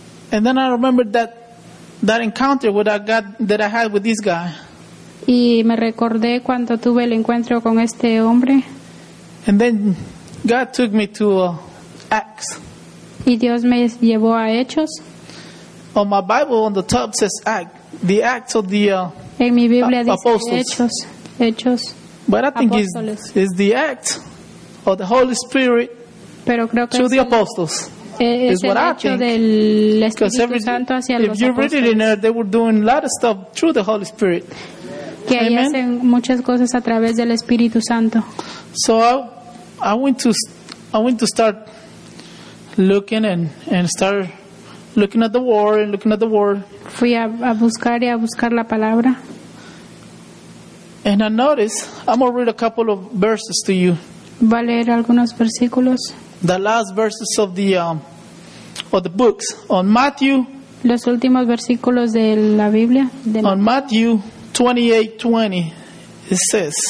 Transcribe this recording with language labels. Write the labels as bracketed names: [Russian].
[English] And then I remembered that encounter that I had with this guy. [Spanish] Y me recordé cuando tuve el encuentro con este hombre. [English] And then God took me to Acts. [Spanish] Y Dios me llevó a Hechos. [English] On my Bible on the top says Acts, the Acts of the [Spanish] en mi Biblia dice [English] apostles. [Spanish] Hechos. [English] But I think it's the Acts of the Holy Spirit. [Spanish] Pero creo que [English] to the apostles is what I think. Because if you read it in there, they were doing a lot of stuff through the Holy Spirit. [Spanish] Que ahí hacen muchas cosas a través del Espíritu Santo. [English] So I went to start looking and start looking at the word and looking at the word. [Spanish] Fui a buscar y a buscar la palabra. [English] And I noticed, I'm going to read a couple of verses to you. [Spanish] Va a leer algunos versículos. [English] The last verses of the books on Matthew. [Spanish] Los últimos versículos de la Biblia. De [English] on Matthew 28:20, it says.